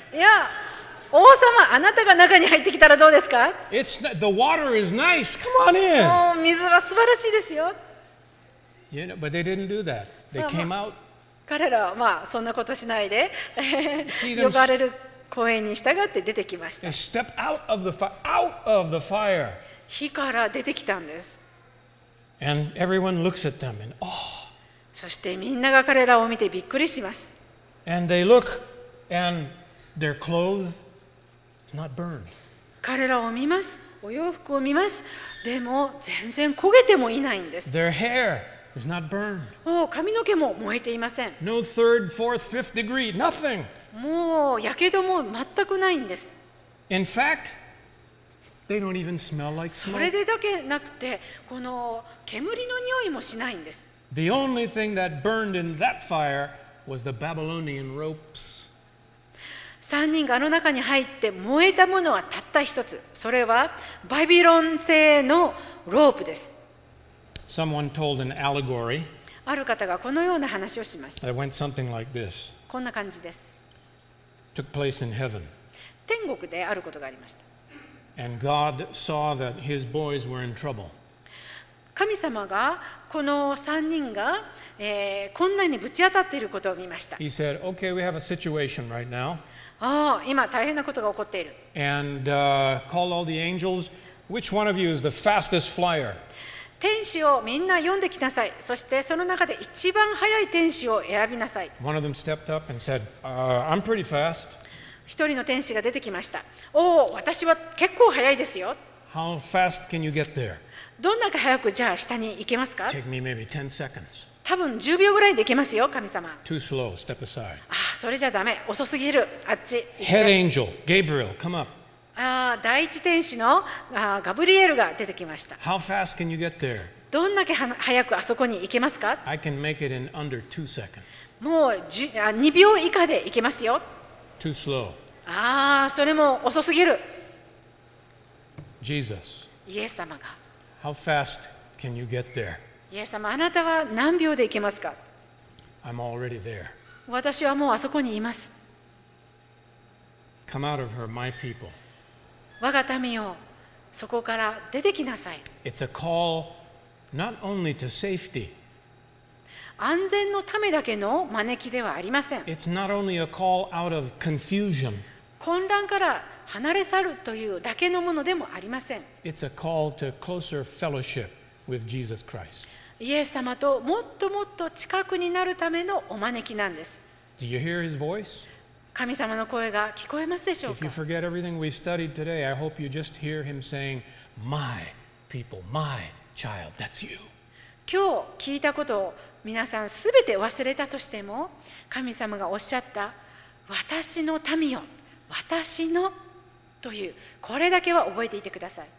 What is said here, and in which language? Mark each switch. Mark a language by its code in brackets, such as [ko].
[ja] いや、王様、あなたが中に入ってきたらどうですか。 [en] The water is nice. Come on in. [ja] 水は素晴らしいですよ。 [en] You know, but they didn't do that. They came out. [ja] 彼らはまあそんなことしないで呼ばれる。公園に従って出てきました。 [en] They step out of the fire, out of the fire. [ja] 火から出てきたんです。 [en] And everyone looks at them in awe. [ja] そしてみんなが彼らを見てびっくりします。 [en] And they look, and their clothes is not burned. [ja] 彼らを見ます。お洋服を見ます。でも全然焦げてもいないんです。 [en] Their hair is not burned. [ja] お、髪の毛も燃えていません。 [en] No third, fourth, fifth degree, nothing. [ja] もう火傷も全くないんです。 [en] In fact, they don't even smell like smoke. [ja] それでだけなくて、この煙の匂いもしないんです。 [en] The only thing that burned in that fire was the Babylonian ropes. [ja] 三人があの中に入って燃えたものはたった一つ。それはバビロン製のロープです。 [en] Someone told an allegory. [ja] ある方がこのような話をしました。 [en] It went something like this. [ja] こんな感じです。 [en] Took place in heaven. [ja] 天国であることがありました。 [en] And God saw that his boys were in trouble. [ja] 神様がこの3人が、困難にぶち当たっていることを見ました。 [en] He said, okay, we have a situation right now. [ja] ああ、今大変なことが起こっている。 [en] And call all the angels. Which one of you is the fastest flyer? [ja] 天使をみんな呼んできなさい。そしてその中で一番速い天使を選びなさい。 [en] One of them stepped up and said, I'm pretty fast. [ja] 一人の天使が出てきました。おお、私は結構速いですよ。 [en] How fast can you get there? [ja] どんなか早くじゃあ下に行けますか? [en] Take me maybe 10 seconds. [ja] 多分10秒ぐらいで行けますよ、神様。 [en] Too slow, step aside. [ja] ああ、それじゃダメ。遅すぎる。あっち。 [en] Head angel, Gabriel, come up. [ja] 第一天使のガブリエルが出てきました。 [en] How fast can you get there? [ja] どんだけ早くあそこに行けますか? [en] I can make it in under 2 seconds. [ja] もう2秒以下で行けますよ。 [en] Too slow. [ja] ああ、それも遅すぎる。 [en] Jesus. [ja] イエス様が。 [en] How fast Can you get there? [ja] イエス様、あなたは何秒で行けますか? [en] I'm already there. [ja] 私はもうあそこにいます。 [en] Come out of her, my people. [ja] 我が民よ、そこから出てきなさい。 [en] It's a call not only to safety. [ja] 安全のためだけの招きではありません。 [en] It's not only a call out of confusion. [ja] 混乱から離れ去るというだけのものでもありません。 [en] It's a call to closer fellowship with Jesus Christ. [ja] イエス様ともっともっと近くになるためのお招きなんです。 [en] Do you hear his voice? [ja] 神様の声が聞こえますでしょうか? [en] If you forget everything we studied today, I hope you just hear him saying, My people, my child, that's you. [ja] 今日聞いたことを皆さんすべて忘れたとしても、神様がおっしゃった私の民よ、私のというこれだけは覚えていてください。